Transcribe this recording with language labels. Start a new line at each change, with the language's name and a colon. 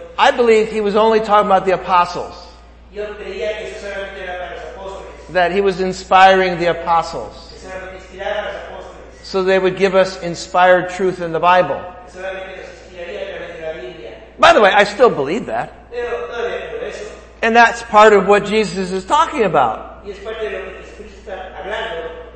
English: I believe he was only talking about the apostles.
Spanish: Yo creía que eso solamente era para los apóstoles.
English: That he was inspiring the apostles.
Spanish: Que solamente inspiraba a los apóstoles.
English: So they would give us inspired truth in the Bible.
Spanish: Que solamente nos inspiraría a través de la Biblia.
English: By the way, I still believe that.
Spanish: Pero todavía creo eso.
English: And that's part of what Jesus is talking about.
Spanish: Y es parte de lo que Jesús está hablando.